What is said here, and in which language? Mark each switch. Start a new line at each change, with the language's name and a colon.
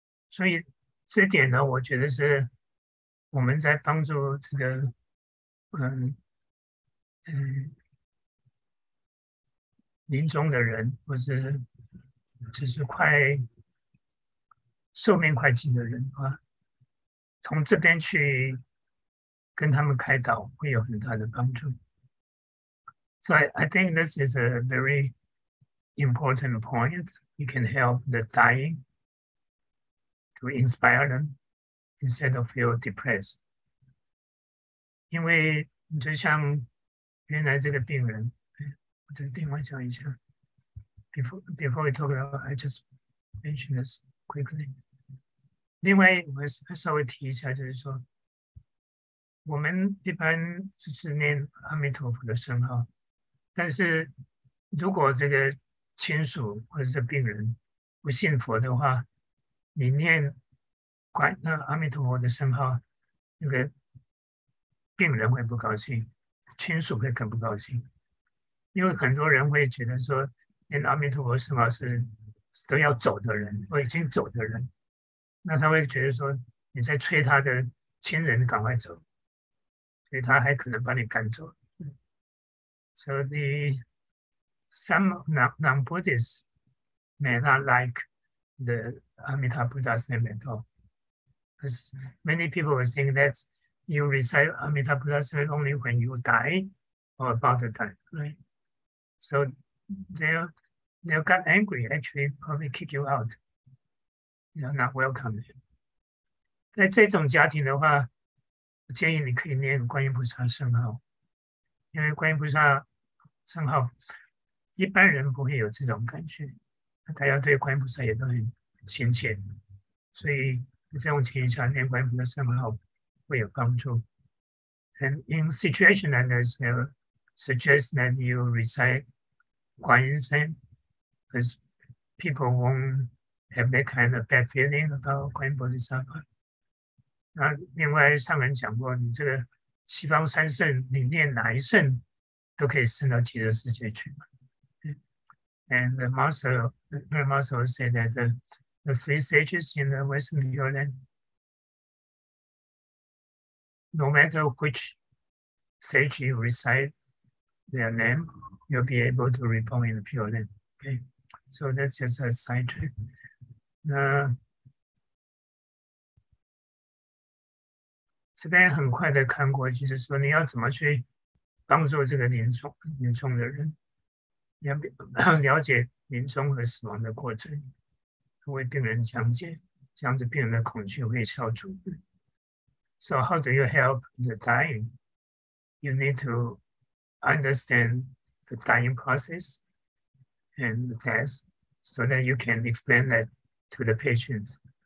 Chinese: 所以这点呢，我觉得是我们在帮助这个，临终的人，或是就是寿命快尽的人啊，从这边去跟他们开导，会有很大的帮助。
English: So I think this is a very important point. You can help the dying to inspire them instead of feel depressed.
Chinese: 因为你就像原来这个病人，我这个电话讲一下。
English: Before we talk about, I just mention this quickly.
Chinese: 另外，我稍微提一下，就是说，我们一般就是念阿弥陀佛的声号，但是如果这个亲属或者是病人不信佛的话，你念阿弥陀佛的声号，那个病人会不高兴，亲属会更不高兴，因为很多人会觉得说，念阿弥陀佛声号是都要走的人，或已经走的人，那他会觉得说你在催他的亲人赶快走，所以他还可能把你赶走。
English: So the some non-Buddhists may not like the Amitabha Buddha's name at all, because many people will think that you recite Amitabha Buddha's name only when you die or about to die, right? So they'll get angry, actually probably kick you out. You're not welcome.
Chinese: 在这种家庭的话，我建议你可以念观音菩萨圣号，因为观音菩萨圣号，一般人不会有这种感觉，大家对观音菩萨也都很亲切，所以在这种情形下念观音菩萨圣号会有帮助。
English: And in situation like this, I suggest that you recite Guanyin Zen, because people won't have that kind of bad feeling about Guanyin Bodhisattva.
Chinese: 那另外上人讲过，你这个西方三圣，你念哪一圣都可以升到极乐世界去嘛。
English: And the master said that the three sages in the Western Pure Land, no matter which sage you recite their name, you'll be able to reborn in the Pure Land. Okay, so that's just a side trip. So
Chinese: 这边很快的看过，就是说你要怎么去帮助这个临终的人。要了解临终和死亡的过程，为病人讲解，这样子病人的恐惧会消除。
English: So how do you help the dying? You need to understand the dying process and the death, so that you can explain that to the patients.